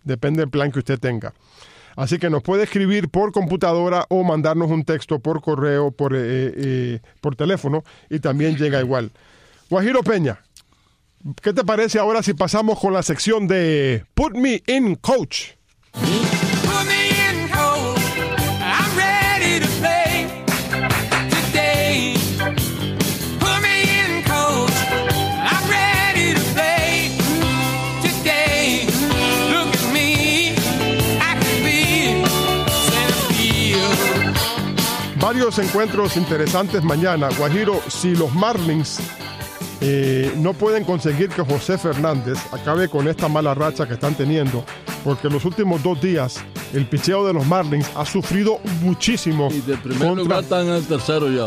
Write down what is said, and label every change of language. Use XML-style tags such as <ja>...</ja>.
<es>Depende del plan que usted tenga. Así que nos puede escribir por computadora o mandarnos un texto por correo, por teléfono y también llega igual. Guajiro Peña. ¿Qué te parece ahora si pasamos con la sección de Put Me In Coach?</es> <en>Put me in coach, I'm ready to play today. Put me in coach, I'm ready to play today. Look at me, I can be centerfield.</en> <es>Varios encuentros interesantes mañana. Guajiro, si los Marlins no pueden conseguir que José Fernández acabe con esta mala racha que están teniendo, porque los últimos dos días el picheo de los Marlins ha sufrido muchísimo. Y del primer lugar están al tercero ya.</es>